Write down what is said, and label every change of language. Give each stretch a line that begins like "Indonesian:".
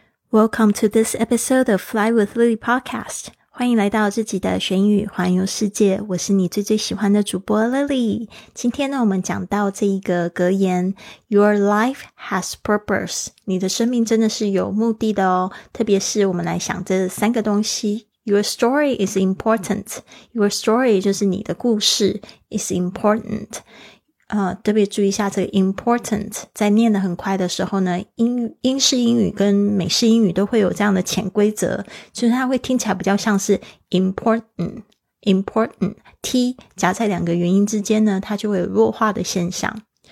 English: Welcome to this episode of Fly with Lily podcast，
Chinese: 欢迎来到自己的学英语环游世界，我是你最最喜欢的主播 Lily。今天呢，我们讲到这一个格言，
English: Your life has purpose，
Chinese: 你的生命真的是有目的的哦，特别是我们来想这三个东西。
English: Your story is important. Your story
Chinese: 就是你的故事
English: is important.
Chinese: 特别注意一下这个 important， 在念得很快的时候呢，英式英语跟美式英语都会有这样的潜规则，就是它会听起来比较像是 important,T 夹在两个元音之间呢，它就会有弱化的现象。